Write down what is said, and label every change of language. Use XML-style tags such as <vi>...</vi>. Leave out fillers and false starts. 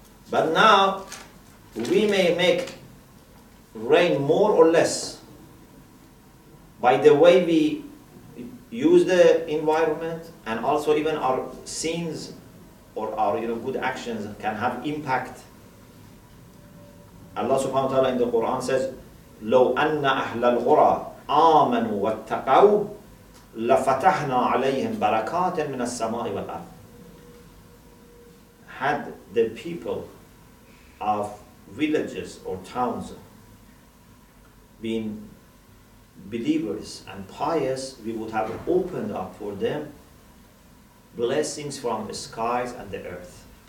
<en>But now, we may make rain more or less by the way we use the environment, and also even our sins or our, you know, good actions can have impact. Allah subhanahu wa ta'ala in the Quran says,</en> <ar>لو أن أهل القرى آمنوا واتقوا لفتحنا عليهم بركات من السماء والأرض.</ar> <en>Had the people of villages or towns been believers and pious, we would have opened up for them blessings from the skies and the earth.</en>